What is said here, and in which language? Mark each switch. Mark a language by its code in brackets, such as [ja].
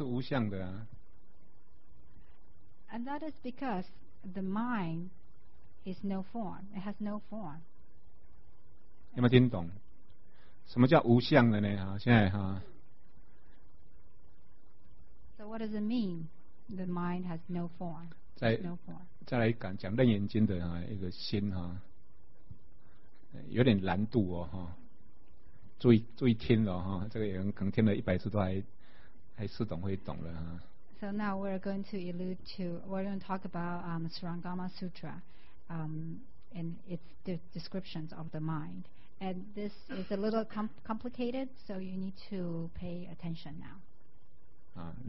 [zh] 因为你的心是无相的，就是无相的啊。 [en] And that is because the mind is no form. It has no form. [zh] 有没有听懂？什么叫无相的呢？现在哈。 [en] So what does it mean? The mind has no form. [zh] 再来讲楞严经的一个心，有点难度哦，注意听了，这个也可能听了一百次都还是懂会懂了。 [en] So now we're going to talk about Sarangama Sutra, and its descriptions of the mind. And this is a little complicated, so you need to pay attention now.